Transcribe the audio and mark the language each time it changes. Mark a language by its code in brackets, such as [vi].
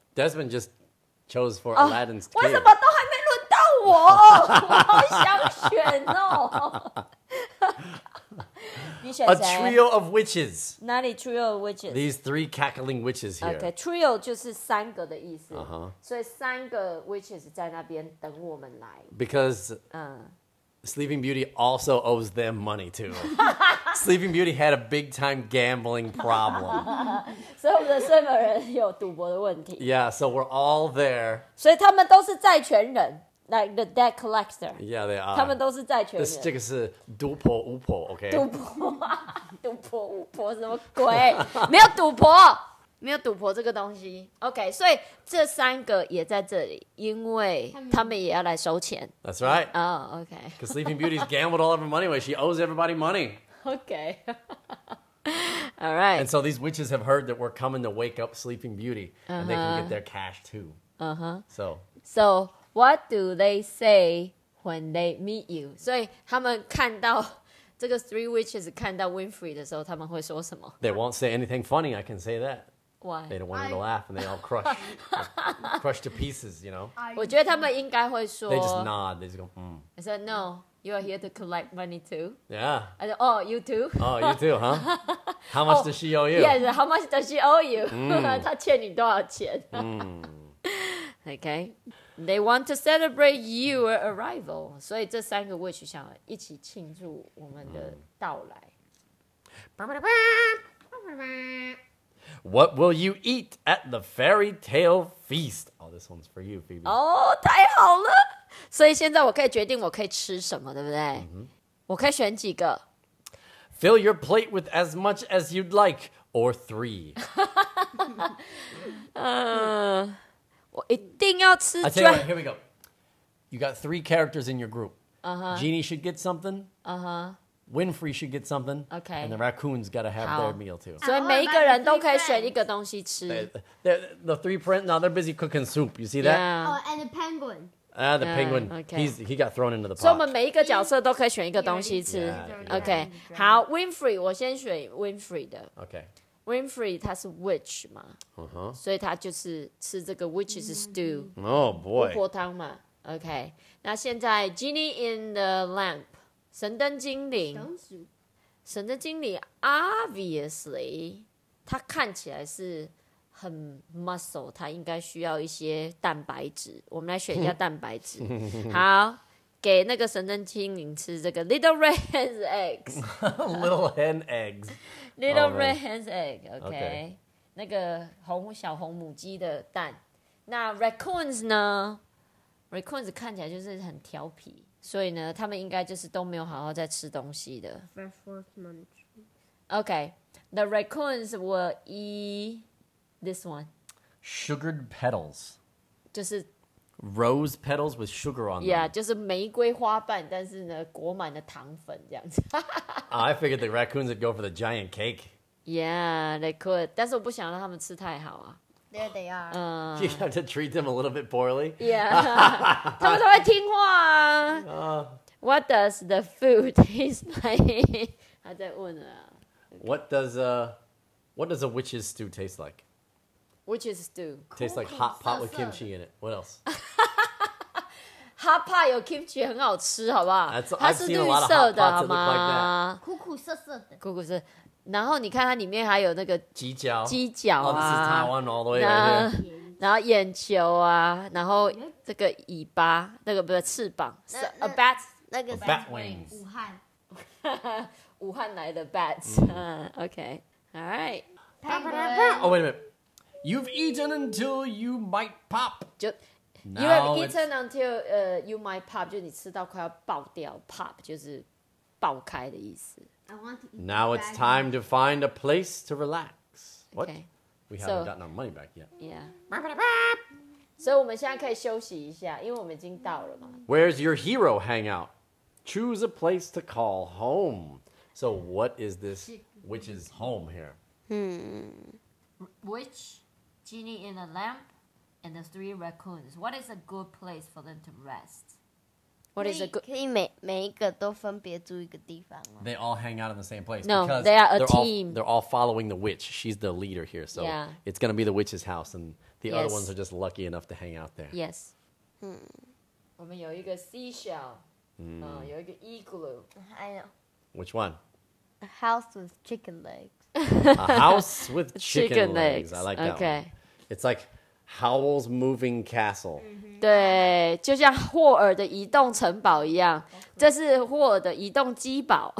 [en] Desmond just chose for Aladdin's cave. [zh] 为什么都还没？我好想选哦！你选谁 [en] ？A trio of witches. [zh] 哪里 [en] trio of witches? These three cackling witches here. [zh] Okay, trio 就是三个的意思。 Uh-huh. 所以三个 witches 在那边等我们来。 [en] Because Sleeping Beauty also owes them money too. Sleeping Beauty had a big time gambling problem. [zh] 所以我们的睡美人有赌博的问题。 [en] Yeah, so we're all there. [zh] 所以他们都是债权人。 [en] Like the debt collector. Yeah, they are. [zh] 他们都是债权人。这个是赌婆巫婆 ，OK？赌婆巫婆什么鬼？没有赌婆，没有赌婆这个东西。OK， 所以这三个也在这里，因为他们也要来收钱。 [en] That's right. Oh, OK. Because Sleeping Beauty's gambled all of her money away. She owes everybody money. OK. All right. And so these witches have heard that we're coming to wake up Sleeping Beauty,、 uh-huh. and they can get their cash too. Uh huh. So. What do they say when they meet you? [zh] 所以他们看到这个 [en] three witches [zh] 看到 Winfrey 的时候，他们会说什么？ [en] They won't say anything funny. I can say that. Why? They don't want to laugh, and they all crush, crush to pieces. You know. [zh] 我觉得他们应该会说。 [en] They just nod. They just go. I said no. You are here to collect money too. Yeah. I said, oh, you too. Oh, you too, huh? How much does she owe you? Yes. How much does she owe you? [zh] 她欠你多少钱？Okay. [en] They want to celebrate your arrival. So these three witches want to celebrate our arrival. Ba ba ba ba ba ba ba ba ba ba. What will you eat at the fairy tale feast? Oh, this one's for you, Phoebe. [zh] Oh, 太好了！所以现在我可以决定我可以吃什么，对不对？ Mm-hmm. 我可以选几个。 [en] Fill your plate with as much as you'd like, or three. I'll tell you what, here we go. You got three characters in your group. Uh-huh. Uh-huh. Genie should get something. Uh-huh. Winfrey should get something. Okay. And the raccoons got to have their meal too. [zh] 所以每一个人都可以选一个东西吃。 [en] The three prints, now they're busy cooking soup. You see that? Yeah. Oh, and the penguin. The penguin. Okay. He got thrown into the pot. [zh] 所以我们每一个角色都可以选一个东西吃。Okay. 好 ,Winfrey, 我先选 Winfrey 的。 [en] Okay. [zh] Winfrey, 他是 witch 嘛、uh-huh. 所以他就是吃这个 [en] witch's stew. Oh boy. [zh] 巫婆汤嘛 OK. 那现在 [en] Genie in the lamp. [zh] 神灯精灵。神灯精灵 [en] obviously, [zh] 他看起来是很 muscle, 他应该需要一些蛋白质。我们来选一下蛋白质。好。给那个神灯精灵吃这个 [en] little red hen's eggs little hen eggs little、oh, red hen's egg okay, okay. [zh] 那个红小红母鸡的蛋那 raccoons 呢 raccoons 看起来就是很调皮所以呢他们应该就是都没有好好在吃东西的 [en] okay the raccoons will eat this one sugared petals [zh] 就是 [en] Rose petals with sugar on them. [zh] Yeah, 就是玫瑰花瓣，但是呢，裹满了糖粉这样子。 [en] I figured the raccoons would go for the giant cake. Yeah, they could. [zh] 但是我不想让他们吃太好啊。 [en] There they are. You have to treat them a little bit poorly. [zh] Yeah, 他们都会听话啊。 [en] What does the food taste like? [zh] 他在问啊。 [en] What does a witch's stew taste like? Witch's stew. Tastes like hot pot with kimchi in it. What else? [zh] hot pot 有 kimchi 很好吃好不好 [en] That's, I've [zh] 它是 [en] seen [zh] 绿色的 [en] a lot of hot pots that look like that. [zh] 苦苦涩涩的。苦苦涩。然后你看它里面还有那个鸡脚。鸡脚啊。 [en] Oh, this is Taiwan all the way right here. [zh] 然后眼球啊。然后这个尾巴。那个不是翅膀。 [en] A bat. [zh] 那个 [en] bat wings. [zh] 武汉。武汉来的 [en] bats.、Okay. All right. Penguin. Oh, wait a minute. You've eaten until you might pop. You have eaten until you might pop. [zh] 就你吃到快要爆掉 ，pop 就是爆开的意思。 [en] Now it's time to find a place to relax. What? We haven't gotten our money back yet. Yeah. [zh] So 我们现在可以休息一下，因为我们已经到了嘛。 [en] Where's your hero hangout? Choose a place to call home. So what is this witch's home here? Witch, genie in a lamp, and the three raccoons. What is a good place for them to rest? What is a good? [zh] 可以每一个都分别住一个地方吗 [en] They all hang out in the same place. No, they are a team. They're all following the witch. She's the leader here, so it's going to be the witch's house, and the other ones are just lucky enough to hang out there. Yes. [zh] 我们有一个 seashell. 有一个 igloo. [en] I know. Which one? A house with chicken legs. A house with chicken legs. I like that、okay. one. It's like Howl's Moving Castle.、Mm-hmm. [zh] 对，就像霍尔的移动城堡一样，这是霍尔的移动鸡堡。